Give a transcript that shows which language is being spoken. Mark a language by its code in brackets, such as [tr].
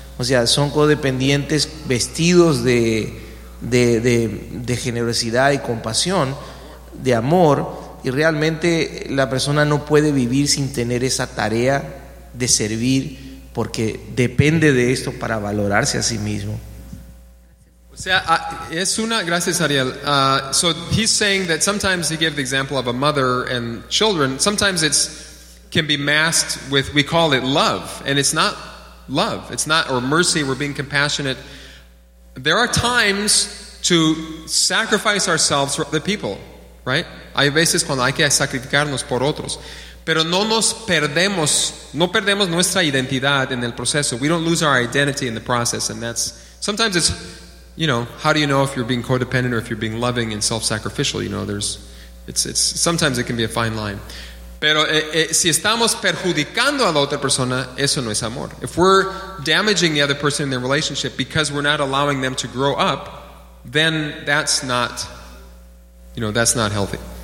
[es] O sea, son codependientes vestidos de generosidad y compasión, de amor, y realmente la persona no puede vivir sin tener esa tarea de servir, porque depende de esto para valorarse a sí mismo. O sea, es una, gracias Ariel. [en] So he's saying that sometimes, he gave the example of a mother and children, sometimes it's can be masked with, we call it love, and it's not love, it's not, or mercy, we're being compassionate. There are times to sacrifice ourselves for the people, right? [es] Hay veces cuando hay que sacrificarnos por otros, pero no nos perdemos, no perdemos nuestra identidad en el proceso. [en] We don't lose our identity in the process, and that's, sometimes it's, you know, how do you know if you're being codependent or if you're being loving and self-sacrificial? You know, there's, it's sometimes it can be a fine line. [es] Pero si estamos perjudicando a la otra persona, eso no es amor. [en] If we're damaging the other person in their relationship because we're not allowing them to grow up, then that's not, you know, that's not healthy.